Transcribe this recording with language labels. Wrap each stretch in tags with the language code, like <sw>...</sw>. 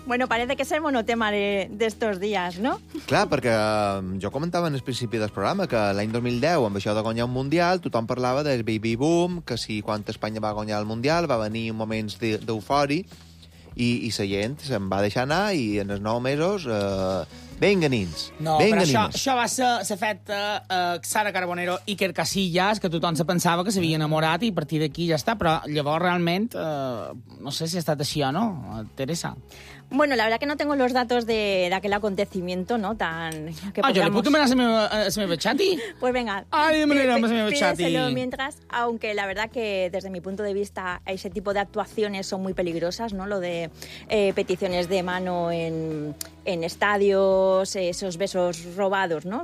<es>Bueno, parece que es el monotema d'estos días, ¿no?</es> <ca>Clar, perquè jo comentava en el principi del programa que l'any 2010, amb això de guanyar un Mundial, tothom parlava del bibibum, que si quan Espanya va guanyar el Mundial va venir un moment d'eufori i la gent se'n va deixar anar i en els 9 mesos... Vinga, nins. No,</ca> <es>venga,</es> <ca>però això va ser l'efecte Sara Carbonero i Iker Casillas, que tothom se pensava que s'havia enamorat i a partir d'aquí ja està. Però llavors realment, no sé si ha estat així o no, Teresa.</ca> <es>Bueno, la verdad que no tengo los datos d'aquel acontecimiento, ¿no? Tan... Que podamos...</es> <ca>Ah, jo li puc demanar a la meva xati?</ca> <es>Pues venga.</es> <ca>Ai, demanarà a la meva xati.</ca> <es>Pídeselo mientras, aunque la verdad que desde mi punto de vista ese tipo de actuaciones son muy peligrosas, ¿no? Lo de peticiones de mano en estadios, esos besos robados, ¿no?</es>